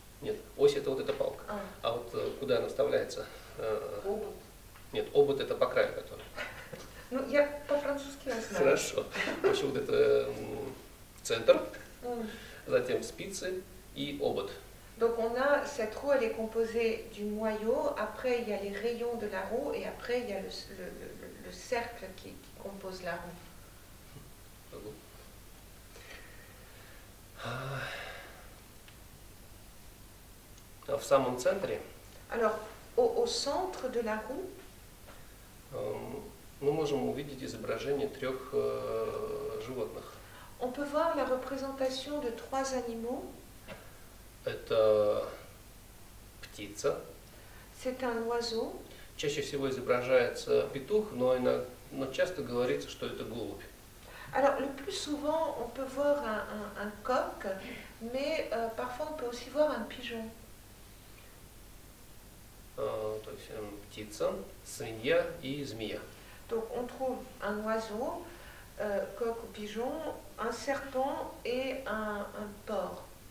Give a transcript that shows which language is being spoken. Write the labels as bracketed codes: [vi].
[ru] Нет, ось это вот эта палка. А вот куда она вставляется? Обод. Нет, обод это по краю который. Ну, я по-французски знаю. Хорошо. В общем, вот это центр, затем спицы и обод. [fr] Donc on a cette roue, elle est composée du noyau, après il y a les rayons de la roue et après il y a le cercle qui compose la roue. [ru] В самом центре. [fr] Alors, au centre de la roue, [ru] мы можем увидеть изображение трех животных. [fr] On peut voir la représentation de trois animaux. [ru] Это птица. [fr] C'est un oiseau. [ru] Чаще всего изображается петух, но часто говорится, что это голубь. [fr] Alors, le plus souvent, on peut voir un coq, mais parfois, on peut aussi voir un pigeon. [ru] То есть, птица, свинья и змея. [fr] Donc, on trouve un oiseau, coq ou pigeon, un serpent et un porc.